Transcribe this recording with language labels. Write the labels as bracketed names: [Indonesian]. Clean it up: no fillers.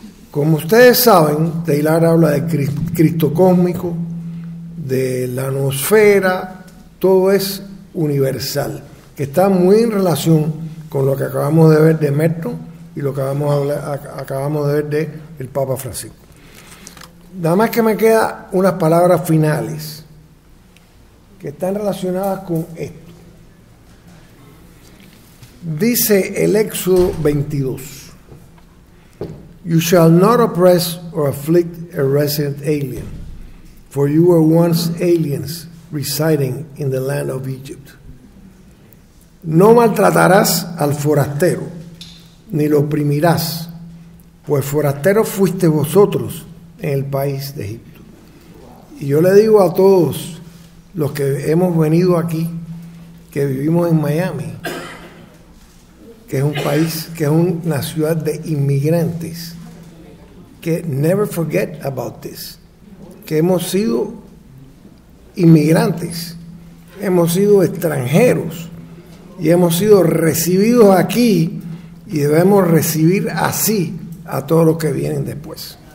[Spanish] Como ustedes saben, Teilhard habla de Cristo cósmico, de la nosfera, todo es universal, que está muy en relación con lo que acabamos de ver de Merton y lo que acabamos de ver de el Papa Francisco. Nada más que me quedan unas palabras finales que están relacionadas con esto. Dice el Éxodo 22: [English] You shall not oppress or afflict a resident alien, for you were once aliens residing in the land of Egypt. [Spanish] No maltratarás al forastero, ni lo oprimirás, pues forastero fuiste vosotros en el país de Egipto. Y yo le digo a todos los que hemos venido aquí, que vivimos en Miami, que es un país, que es una ciudad de inmigrantes, que [English] never forget about this, [Spanish] que hemos sido inmigrantes, hemos sido extranjeros y hemos sido recibidos aquí, y debemos recibir así a todos los que vienen después.